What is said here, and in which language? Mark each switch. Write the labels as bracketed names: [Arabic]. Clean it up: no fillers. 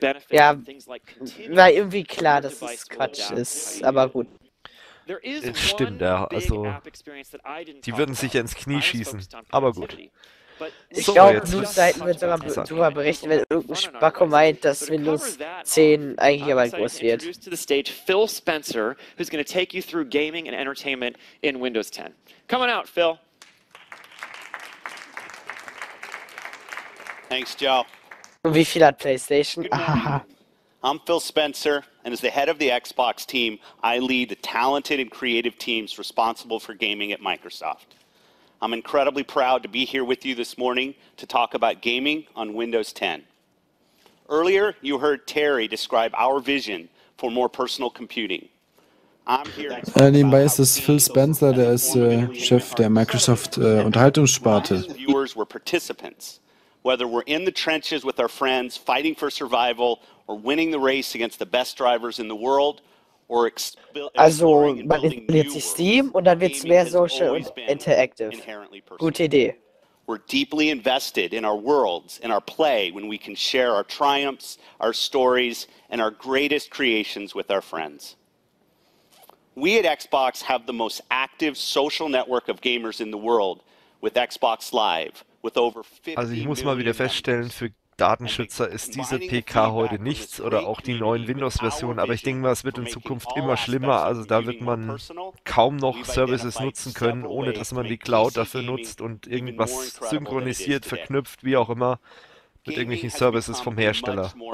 [German] Ja, war irgendwie klar, dass es Quatsch ist, aber gut. Stimmt, ja. Also, die würden sich ins Knie schießen. Aber gut. Ich glaube, Newsseiten wird sogar darüber berichten, wenn irgendein Spacko meint, dass Windows 10 eigentlich aber groß wird. [English] Phil Spencer, who's going to take you through gaming and entertainment in Windows 10. Come on out, Phil. Thanks, Joe. [German] Und wie viel hat PlayStation? [English] I'm Phil Spencer, and as the head of the Xbox team, I lead the talented and creative teams responsible for gaming at Microsoft. I'm incredibly proud to be here with you this morning to talk about gaming on Windows 10. Earlier, you heard Terry describe our vision for more personal computing. [German] Nebenbei ist es Phil Spencer, der ist Chef der Microsoft Unterhaltungssparte. [English] Viewers were participants. Whether we're in the trenches with our friends, fighting for survival, or winning the race against the best drivers in the world, or also, [German] man installiert sich Steam und dann wird es mehr social und interactive. Gute Idee. [English] We're deeply invested in our worlds, in our play, when we can share our triumphs, our stories, and our greatest creations with our friends. We at Xbox have the most active social network of gamers in the world with Xbox Live. [German] Also ich muss mal wieder feststellen, für Datenschützer ist diese PK heute nichts oder auch die neuen Windows-Versionen, aber ich denke mal, es wird in Zukunft immer schlimmer, also da wird man kaum noch Services nutzen können, ohne dass man die Cloud dafür nutzt und irgendwas synchronisiert, verknüpft, wie auch immer, mit irgendwelchen Services vom Hersteller.